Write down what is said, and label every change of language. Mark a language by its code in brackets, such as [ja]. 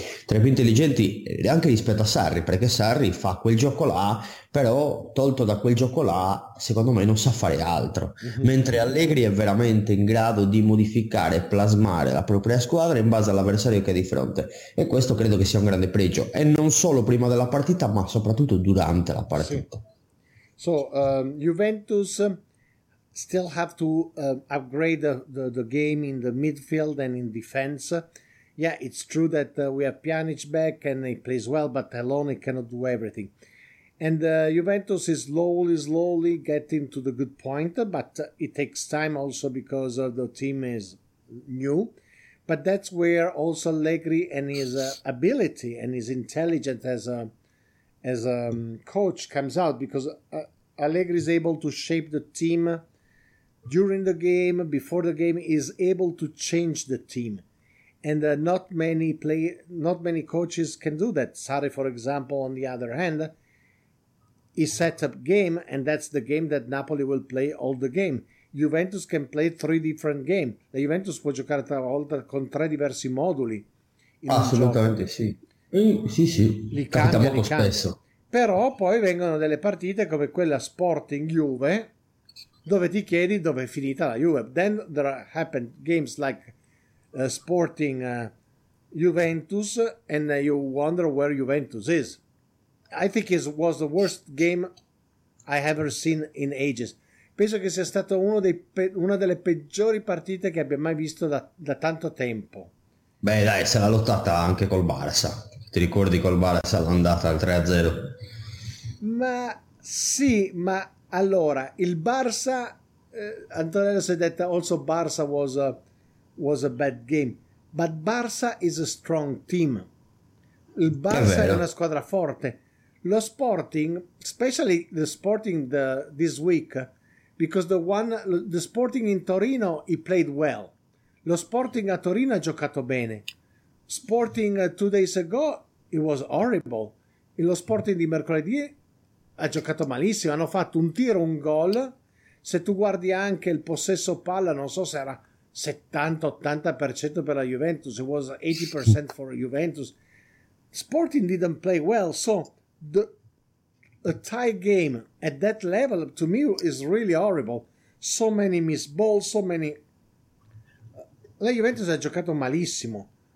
[it] Tra i più intelligenti anche rispetto a Sarri, perché Sarri fa quel gioco là, però tolto da quel gioco là, secondo me non sa fare altro. Mentre Allegri è veramente in grado di modificare e plasmare la propria squadra in base all'avversario che ha di fronte. E questo credo che sia un grande pregio. E non solo prima della partita, ma soprattutto durante la partita. Sì. [en] So, Juventus still have to upgrade the game in the midfield and in defense. Yeah, it's true that we have Pjanic back and he plays well, but alone he cannot do everything. And Juventus is slowly getting to the good point, but it takes time also because the team is new. But that's where also Allegri and his ability and his intelligence as a coach comes out, because Allegri is able to shape the team during the game, before the game, is able to change the team. And not many coaches can do that. Sarri, for example, on the other hand, he set up game, and that's the game that Napoli will play all the game. Juventus can play three different games. [it] La Juventus può giocare tra volte con tre diversi moduli. Assolutamente sì. Sì, sì. Li cambia molto spesso. Però poi vengono delle partite come quella Sporting Juve, dove ti chiedi dove è finita la Juve. [en] Then there happen games like Sporting Juventus, and you wonder where Juventus is. I think it was the worst game I ever seen in ages. [it] Penso che sia stata una delle peggiori partite che abbia mai visto da tanto tempo. Beh, dai, se l'ha lottata anche col Barça. Ti ricordi col Barça l'andata al 3-0? Ma sì, ma allora, il Barça, Antonello si è detto [en] also Barça was a bad game, but Barça is a strong team. [it] Il Barça è una squadra forte. [en] Lo Sporting, especially the Sporting this week, because the Sporting in Torino, he played well. [it] Lo Sporting a Torino ha giocato bene. [en] Sporting 2 days ago, it was horrible. [it] E lo Sporting di mercoledì ha giocato malissimo. Hanno fatto un tiro, un gol. Se tu guardi anche il possesso palla, non so se era 70-80% per la Juventus. [en] It was 80% for Juventus. Sporting didn't play well. So, a tie game at that level, to me, is really horrible. So many missed balls, so many... [it] La Juventus ha giocato malissimo.